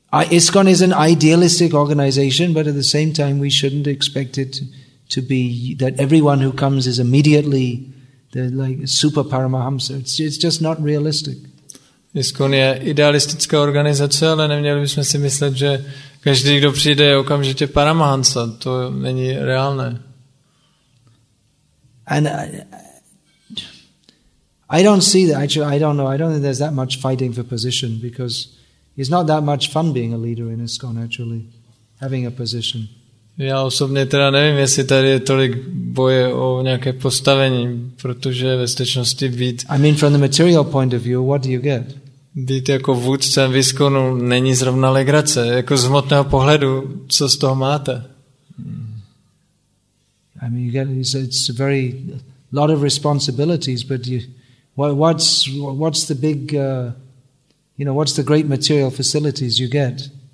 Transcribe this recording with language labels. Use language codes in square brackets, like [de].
[en] ISKCON is an idealistic organization, but at the same time we shouldn't expect it to be that everyone who comes is immediately the like super paramahamsa. It's just not realistic. [cs] ISKCON je idealistická organizace, ale neměli bychom si myslet, že každý, kdo přijde, je okamžitě paramahansa. To není reálné. [en] And I don't see that. Actually, I don't know. I don't think there's that much fighting for position because it's not that much fun being a leader in ISKCON, actually, having a position. [cs] Já osobně teda nevím, jestli tady je tolik boje o nějaké postavení, protože ve skutečnosti být... [en] I mean, from the material point of view, what do you get? [cs] Být jako vůdcem ISKCONu není zrovna legrace. Jako z hmotného pohledu, co z toho máte? [en] I mean, you get it's a very lot of responsibilities, but you, what's the big, you know, what's the great material facilities you get?